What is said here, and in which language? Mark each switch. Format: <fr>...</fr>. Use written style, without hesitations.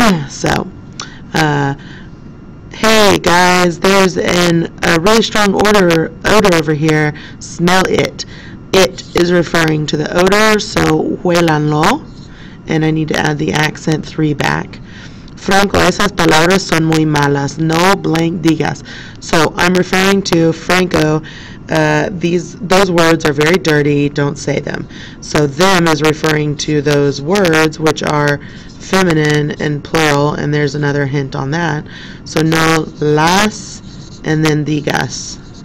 <en>So, hey guys, there's a really strong odor over here. Smell it. It is referring to the odor, so huélanlo, and I need to add the accent 3 back.</en> <es>Franco, esas palabras son muy malas. No blank digas.</es> <en>So I'm referring to Franco. Those words are very dirty. Don't say them. So them is referring to those words, which are feminine and plural. And there's another hint on that. So no las and then digas.</en>